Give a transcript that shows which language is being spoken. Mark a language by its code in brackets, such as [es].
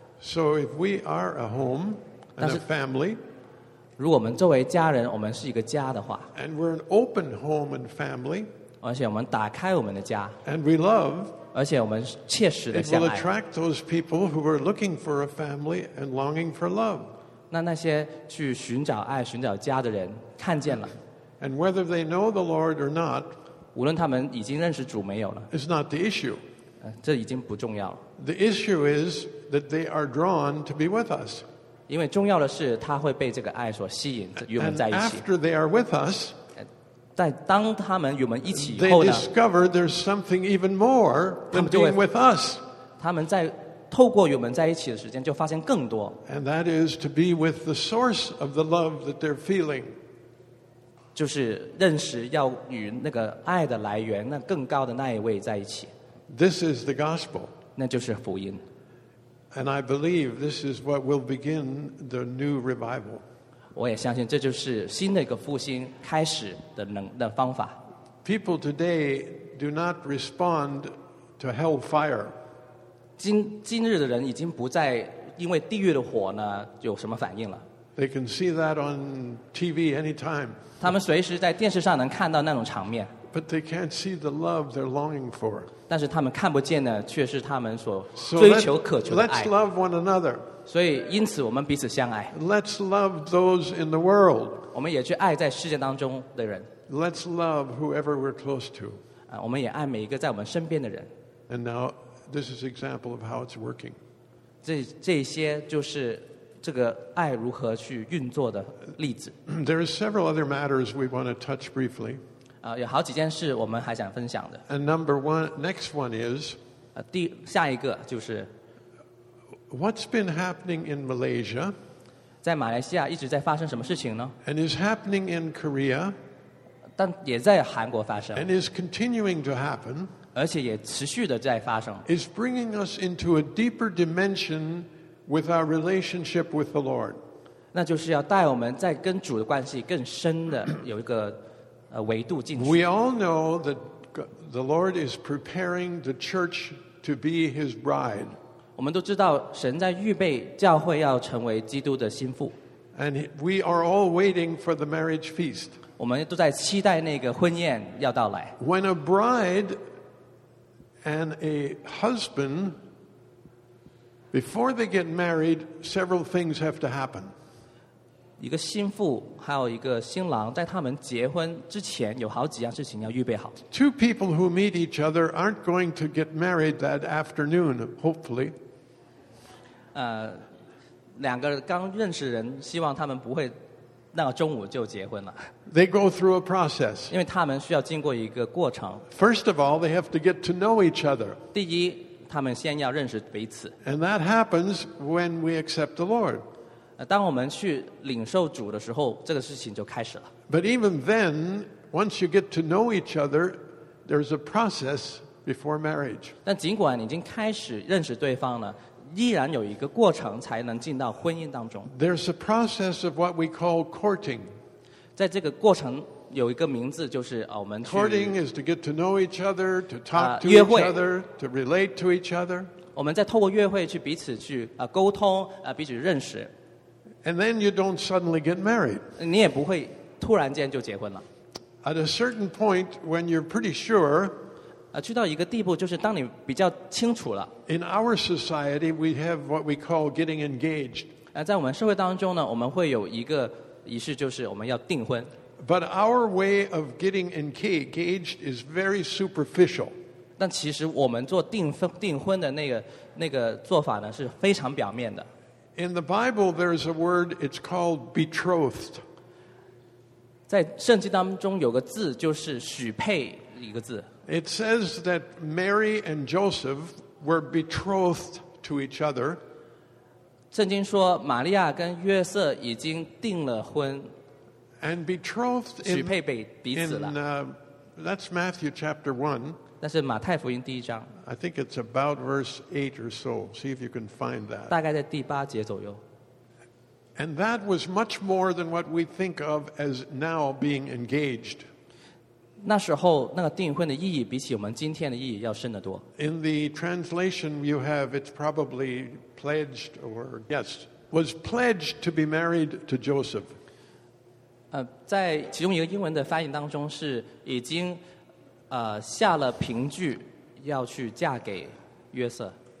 [en] So if we are a home and a family, [zh] 如果我们作为家人，我们是一个家的话。 [en] And we're an open home and family. [zh] 而且我们打开我们的家。 [en] And we love. [zh] 而且我们切实的相爱。 [en] It will attract those people who are looking for a family and longing for love. [zh] 那些去寻找爱、寻找家的人看见了。 [en] And whether they know the Lord or not, [zh] 无论他们已经认识主没有了。 [en] It's not the issue. [zh] 这已经不重要了。 [en] The issue is that they are drawn to be with us. [zh] 因为重要的是他会被这个爱所吸引，与我们在一起。 [en] And after they are with us, [zh] 在当他们与我们一起以后呢， [en] they discover there's something even more than being with us. [zh] 他们在透过与我们在一起的时间，就发现更多。 [en] And that is to be with the source of the love that they're feeling. [zh] 就是认识要与那个爱的来源，那更高的那一位在一起。 [en] This is the gospel. [zh] 那就是福音。 [en] And I believe this is what will begin the new revival. [zh] 我也相信这就是新的一个复兴开始的方法。 [en] People today do not respond to hellfire. [zh] 今日的人已经不再因为地狱的火呢有什么反应了。 [en] They can see that on TV anytime. [zh] 他们随时在电视上能看到那种场面。 [en] But they can't see the love they're longing for. [zh] 但是他们看不见的却是他们所追求渴求的爱。 [en] Let's love one another. [zh] 所以因此我们彼此相爱。 [en] Let's love those in the world. [zh] 我们也去爱在世界当中的人。 [en] Let's love whoever we're close to. [zh] 我们也爱每一个在我们身边的人。 [en] And now,This is an example of how it's working. [zh] 这些就是这个爱如何去运作的例子。 [en] There are several other matters we want to touch briefly. [zh] 有好几件事我们还想分享的。 [en] And number one, next one is, [zh] 下一个就是 [en] what's been happening in Malaysia? [zh] 在马来西亚一直在发生什么事情呢？ [en] And is happening in Korea? [zh] 但也在韩国发生。 [en] And is continuing to happen? [zh] 而且也持续地在发生 [en] is bringing us into a deeper dimension with our relationship with the Lord. [zh] 那就是要带我们在跟主的关系更深的有一个维度进去。 [en] We all know that the Lord is preparing the church to be His bride. [zh] 我们都知道神在预备教会要成为基督的新妇。 [en] And we are all waiting for the marriage feast. [zh] 我们都在期待那个婚宴要到来。 [en] When a bride and a husband, before they get married, several things have to happen. [zh] 一个新妇还有一个新郎在他们结婚之前有好几样事情要预备好。 [en] Two people who meet each other aren't going to get married that afternoon, hopefully. [zh] 两个刚认识人希望他们不会那个中午就结婚了。 [en] They go through a process. [zh] 因为他们需要经过一个过程。 [en] First of all, they have to get to know each other. [zh] 第一他们先要认识彼此。 [en] And that happens when we accept the Lord. [zh] 当我们去领受主的时候这个事情就开始了。 [en] But even then, once you get to know each other, there's a process before marriage. [zh] 但尽管已经开始认识对方了依然有一个过程才能进到婚姻当中。 [en] There's a process of what we call courting. [zh] 在这个过程有一个名字就是我们去 [en] Courting is to get to know each other, to talk to each other, to relate to each other. [zh] 我们在透过约会去彼此去沟通彼此认识。 [en] And then you don't suddenly get married. [zh] 你也不会突然间就结婚了。 [en] At a certain point when you're pretty sure, [zh] 去到一个地步就是当你比较清楚了 [en] In our society we have what we call getting engaged [zh] 在我们社会当中呢我们会有一个仪式就是我们要订婚 [en] But our way of getting engaged is very superficial [zh] 但其实我们做订婚的那个做法呢是非常表面的 [en] In the Bible there is a word it's called betrothed [zh] 在圣经当中有个字就是许配一个字 [en] It says that Mary and Joseph were betrothed to each other. [zh] 圣经说玛利亚跟约瑟已经订了婚 [en] And betrothed in, [zh] 许配彼此了 [en] in, that's Matthew chapter 1. [zh] 那是马太福音第一章 [en] I think it's about verse 8 or so. See if you can find that. [zh] 大概在第八节左右 [en] And that was much more than what we think of as now being engaged. [zh] 那时候那个订婚的意义比起我们今天的意义要深得多。 [en] In the translation you have, it's probably pledged or yes, was pledged to be married to Joseph. [zh] 在其中一个英文的翻译当中是已经下了凭据要去嫁给约瑟。